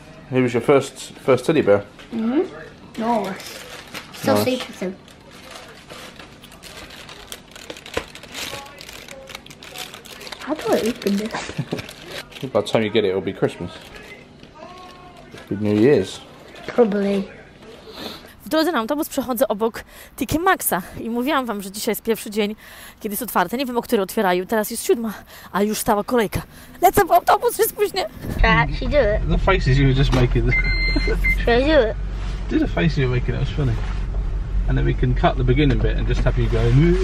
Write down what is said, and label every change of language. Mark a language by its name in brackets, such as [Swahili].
[English] He was your first teddy bear. Mm-hmm. Nice. Still nice. Safe with him. How do I open this? By the time you get it, it'll be Christmas. It'll be New Year's. Probably. [Polish] W drodze na autobus przechodzę obok TK Maxa i mówiłam wam, że dzisiaj jest pierwszy dzień, kiedy jest otwarte. Nie wiem, o której otwierają. Teraz jest 7, a już stała kolejka. Lecę w autobus, się spóźnię. [English] Should I do it? The faces you were just making. Should I do it? Do the faces you were making, it was funny. And then we can cut the beginning bit and just have you going.